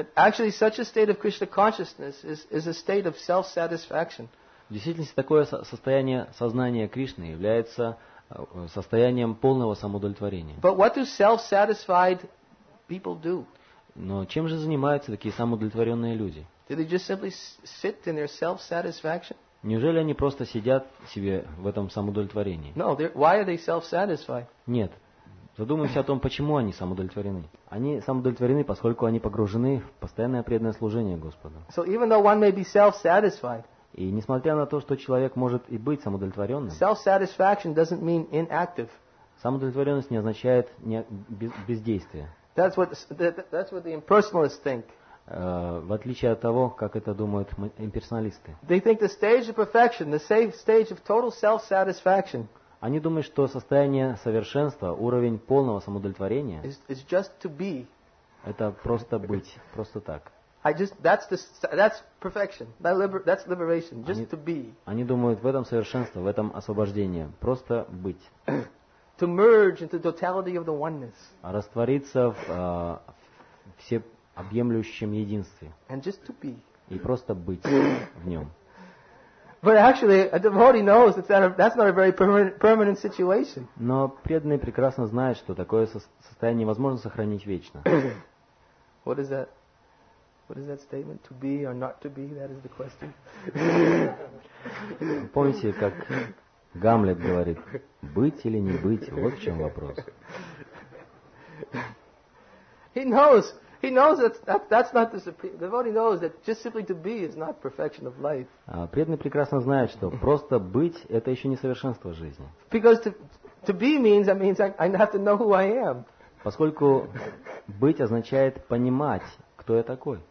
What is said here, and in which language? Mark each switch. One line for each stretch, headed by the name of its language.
English: Actually, such a state of Krishna consciousness is a state of self-satisfaction.
Russian: В действительности такое состояние сознания Кришны является состоянием полного самоудовлетворения.
English: But what do self-satisfied people do?
Russian: Но чем же занимаются такие самоудовлетворенные люди?
English: Do they just simply sit in their self-satisfaction?
Russian: Неужели они просто сидят себе в этом самоудовлетворении?
English: No, why are they self-satisfied?
Russian: Нет. Задумаемся о том, почему они самоудовлетворены. Они самоудовлетворены, поскольку они погружены в постоянное преданное служение Господу.
English: So even though one may be self-satisfied,
Russian: и несмотря на то, что человек может и быть самоудовлетворенным,
English: self-satisfaction doesn't mean inactive.
Russian: Самоудовлетворенность не означает бездействие.
English: That's what the impersonalists think.
Russian: В отличие от того, как это думают имперсоналисты.
English: They think the stage of perfection, the safe stage of total self-satisfaction.
Russian: Они думают, что состояние совершенства, уровень полного самоудовлетворения,
English: is just to be.
Russian: Это просто быть, просто так.
English: That's perfection. That's liberation. Just to be.
Russian: Они думают в этом совершенство, в этом освобождении. Просто быть.
English: To merge into the totality of the oneness.
Russian: Раствориться в всеобъемлющем единстве.
English: And just to be.
Russian: И просто быть в нем.
English: But actually, a devotee knows that's not a very permanent situation.
Russian: Но преданный прекрасно знает, что такое состояние невозможно сохранить вечно.
English: What is that? What is that statement? To be or not to be? That is the question.
Russian: Помните, как Гамлет говорит: быть или не быть? Вот в чем вопрос.
English: He knows. He knows that's not the supreme. The devotee knows that just simply to be is not perfection of life.
Russian: Преданный прекрасно знает, что просто быть — это еще не совершенство жизни.
English: Because to be means I have to know who I am.
Russian: Поскольку быть означает понимать, кто я такой.